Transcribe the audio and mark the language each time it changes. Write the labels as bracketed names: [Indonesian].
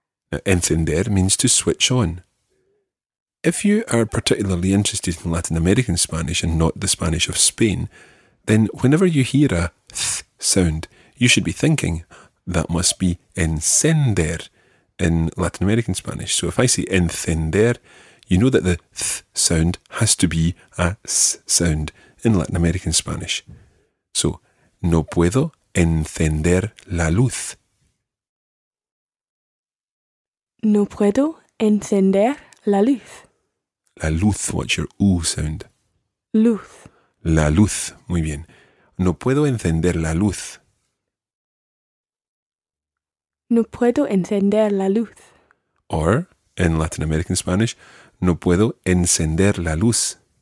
[English] Now, encender means to switch on. If you are particularly interested in Latin American Spanish and not the Spanish of Spain, then whenever you hear a th sound, you should be thinking that must be encender in Latin American Spanish. So if I say encender, you know that the th sound has to be a s sound in Latin American Spanish. [Spanish] So, no puedo encender la luz. No puedo encender la luz. La luz, [English] what's your U sound? [Spanish] Luz. La luz, muy bien. No puedo encender la luz. No puedo encender la luz. [English] Or, in Latin American Spanish, [Spanish] no puedo encender la luz.